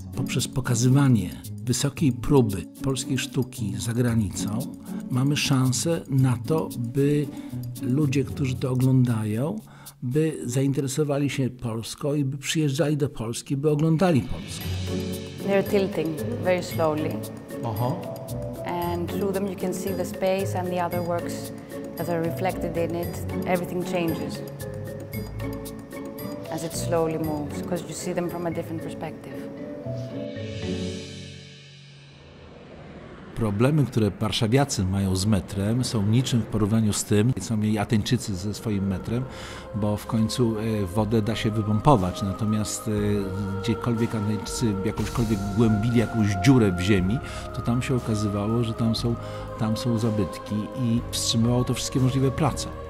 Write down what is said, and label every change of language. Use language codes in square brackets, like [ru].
[pl] Poprzez pokazywanie wysokiej próby polskiej sztuki za granicą mamy szansę na to, by ludzie, którzy to oglądają, by zainteresowali się Polską i by przyjeżdżali do Polski, by oglądali Polskę. [en] They're tilting very slowly. Aha. And through them you can see the space and the other works that are reflected in it. Everything changes as it slowly moves, because you see them from a different perspective. [pl] Problemy, które warszawiacy mają z metrem, są niczym w porównaniu z tym, co mieli Ateńczycy ze swoim metrem, bo w końcu wodę da się wypompować, natomiast gdziekolwiek Ateńczycy jakąśkolwiek głębili jakąś dziurę w ziemi, to tam się okazywało, że tam są zabytki i wstrzymywało to wszystkie możliwe prace.